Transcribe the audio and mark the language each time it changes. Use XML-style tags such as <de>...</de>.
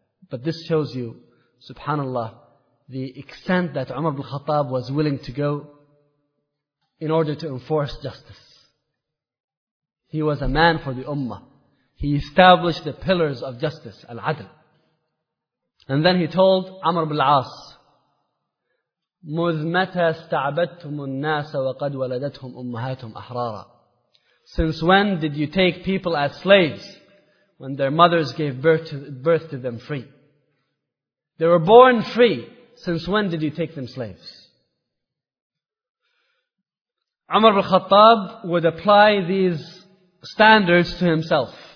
<en>But this shows you, subhanAllah, the extent that Umar ibn al-Khattab was willing to go in order to enforce justice. He was a man for the ummah. He established the pillars of justice, al-adl. And then he told Amr ibn al-As,</en> <ar>مُذْ مَتَى اسْتَعْبَدْتُمُ النَّاسَ وَقَدْ وَلَدَتْهُمْ أُمَّهَاتُمْ أَحْرَارَ.</ar> <en>Since when did you take people as slaves when their mothers gave birth to them free? They were born free. Since when did you take them slaves? Umar ibn al-Khattab would apply these standards to himself.</en>